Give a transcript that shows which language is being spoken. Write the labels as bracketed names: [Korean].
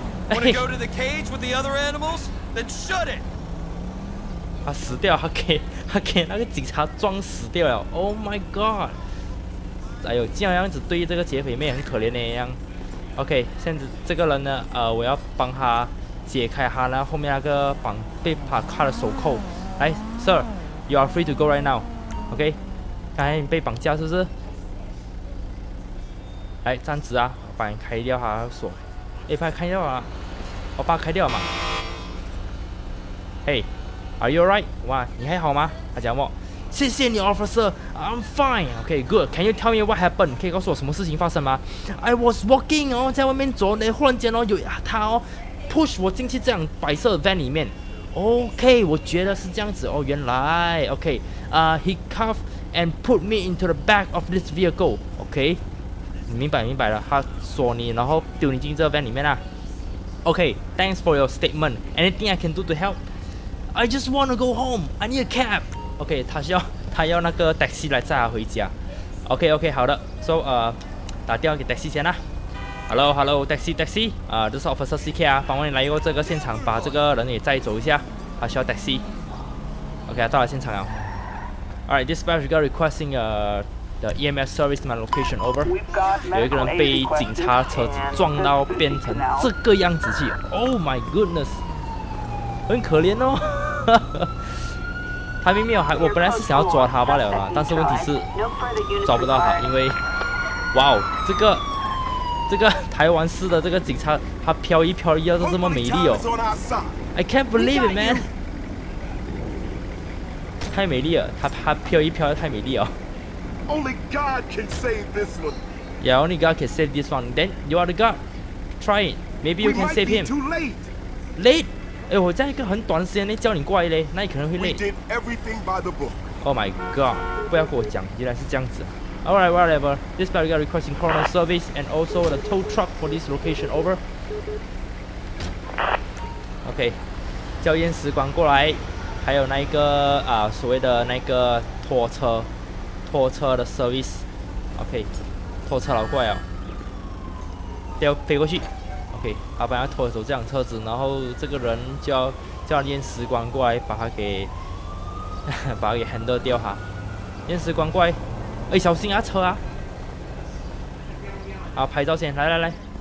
[English] Want to go to the cage with the other animals? Then shut it. [Chinese] 他死掉，他给那个警察撞死掉了。 [English] Oh my god! [Chinese] 哎呦，这样子对这个劫匪妹很可怜的一样。OK， 现在这个人呢，我要帮他解开他那后面那个绑被他铐的手扣。 [English] 来 ，Sir， you are free to go right now. [Chinese] OK， 刚才你被绑架是不是？来，站直啊，把你开掉他的锁。哎，把他开掉啊！我把他开掉了嘛。 [English] Hey, are you alright? [Chinese] 哇，你还好吗？他讲我，谢谢你 [English] ，Officer. I'm fine. Okay, good. Can you tell me what happened? [Chinese] 可以告诉我什么事情发生吗 ？ [English] I was walking [Chinese] 哦，在外面走，那忽然间哦，有他哦 ，push 我进去这样白色的 van 里面。 [English] Okay, [Chinese] 我觉得是这样子哦，原来 [English] ，Okay, he cuffed and put me into the back of this vehicle. Okay. [Chinese] 明白了，他锁你，然后丢你进这个 van 里面啦。 [English] Okay, thanks for your statement. Anything I can do to help? I just want to go home. I need a cab. [Chinese] Okay, 他要那个 taxi 来载他回家。Okay, 好的。 So, 打电话给 taxi 先啦。 [English] Hello, taxi. [Chinese] 这是 Officer CK 啊，帮我来一个这个现场，把这个人也载走一下。他需要 taxi。Okay, 到了现场了。 [English] Alright, dispatch, we got requesting The EMS service my location over. [Chinese] 有一个人被警察车子撞到变成这个样子去。 [English] Oh my goodness, [Chinese] 很可怜哦。他明明还我本来是想要抓他罢了啦，但是问题是抓不到他，因为，哇哦，这个台湾市的这个警察，他飘逸都这么美丽哦。 [English] I can't believe it, man. [Chinese] 太美丽了，他飘逸太美丽哦。 [English] Only God can save this one. Yeah, only God can save this one. Then you are the God. Try it. Maybe you can save him. We might be too late. Late? [Chinese] 我在一个很短时间内叫你过来嘞，那你可能会累。 [English] We did everything by the book. Oh my God! [Chinese] 不要跟我讲，原来是这样子。 [English] All right, whatever. This guy got requesting coroner service and also the tow truck for this location. Over. Okay. [Chinese] 叫验尸官过来，还有那一个所谓的那个拖车。拖车的 service， OK， 拖车老怪哦，要飞过去， OK， 他本来拖走这辆车子，然后这个人就要叫验尸官过来把他给 handle 掉哈，验尸官过来，哎，小心啊车啊，好，拍照先，来